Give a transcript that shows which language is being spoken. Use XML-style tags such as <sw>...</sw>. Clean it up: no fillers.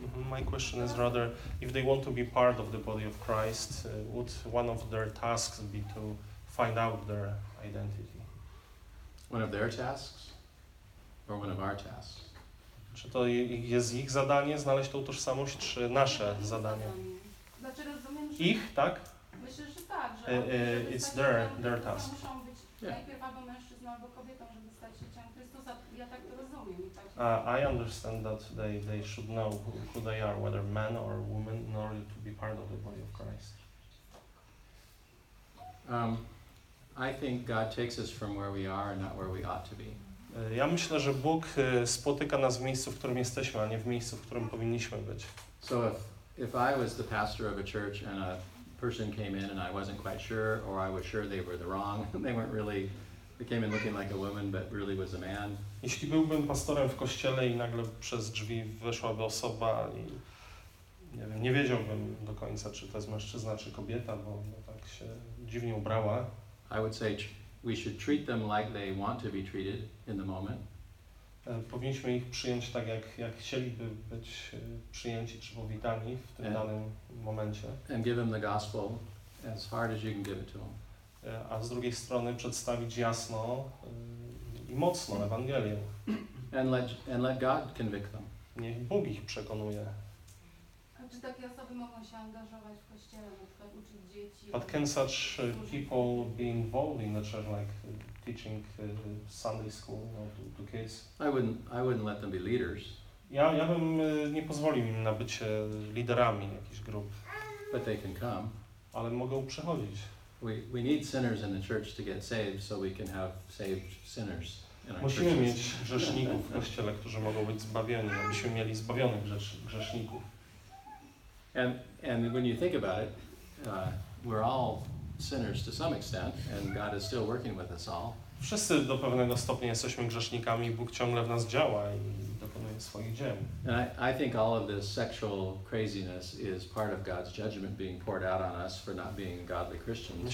<en>my question is rather, if they want to be part of the body of Christ, would one of their tasks be to find out their identity? One of their tasks? Or one of our tasks.</en> <pl>Czy to jest ich zadanie znaleźć tą tożsamość, czy nasze zadanie? Znaczy rozumiem, że ich, tak? Myślę, że tak, że</pl> <en>it's their task.</en> <pl>Muszą być najpierw albo mężczyzną, albo kobietą, żeby stać się ciałem Chrystusa. Ja tak to rozumiem.</pl> <en>I understand that they should know who they are, whether man or woman, in order to be part of the body of Christ. I think God takes us from where we are and not where we ought to be.</en> <pl>Ja myślę, że Bóg spotyka nas w miejscu, w którym jesteśmy, a nie w miejscu, w którym powinniśmy być.</pl> <en>So if I was the pastor of a church and a person came in and I wasn't quite sure, or I was sure they were the wrong, they came in looking like a woman, but really was a man.</en> <pl>Jeśli byłbym pastorem w kościele i nagle przez drzwi weszłaby osoba i nie wiem, nie wiedziałbym do końca, czy to jest mężczyzna, czy kobieta, bo tak się dziwnie ubrała.</pl> <en>I would say we should treat them like they want to be treated in the moment.</en> <pl>Powinniśmy ich przyjąć tak, jak chcieliby być przyjęci czy powitani w tym danym momencie.</pl> <en>And give them the gospel as hard as you can give it to them.</en> <pl>A z drugiej strony przedstawić jasno i mocno Ewangelię.</pl> <en>And let God convict them.</en> <pl>Niech Bóg ich przekonuje. Czy takie osoby mogą się angażować w kościele, na przykład uczyć dzieci?</pl> <en>But can such people be involved in the church, like teaching Sunday school to kids? I wouldn't let them be leaders.</en> <pl>Ja bym nie pozwolił im na bycie liderami jakichś grup.</pl> <en>But they can come.</en> <pl>Ale mogą przychodzić.</pl> <en>We need sinners in the church to get saved, so we can have saved sinners in our church.</en> <pl>Musimy mieć grzeszników w kościele, którzy mogą być zbawieni, abyśmy mieli zbawionych grzeszników.</pl> <en>And when you think about it, we're all sinners to some extent, and God is still working with us all.</en> <pl>Wszyscy do pewnego stopnia jesteśmy grzesznikami, Bóg ciągle w nas działa i dokonuje swoich dzieł.</pl> <en>And I think all of this sexual craziness is part of God's judgment being poured out on us for not being godly Christians.</en>